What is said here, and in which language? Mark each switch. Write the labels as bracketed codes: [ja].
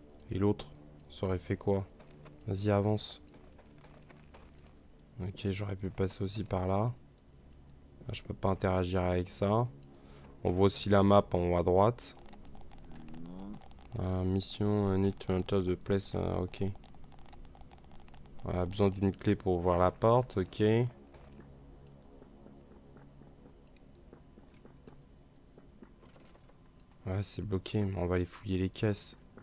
[fr] Et l'autre, ça aurait fait quoi? Vas-y, avance. Ok, j'aurais pu passer aussi par là. Là. Je peux pas interagir avec ça. On voit aussi la map en haut à droite. [en] Mission, I need to enter the place. Ok. [fr] On a besoin d'une clé pour ouvrir la porte. Ok. Ouais, c'est bloqué, mais on va aller fouiller les caisses.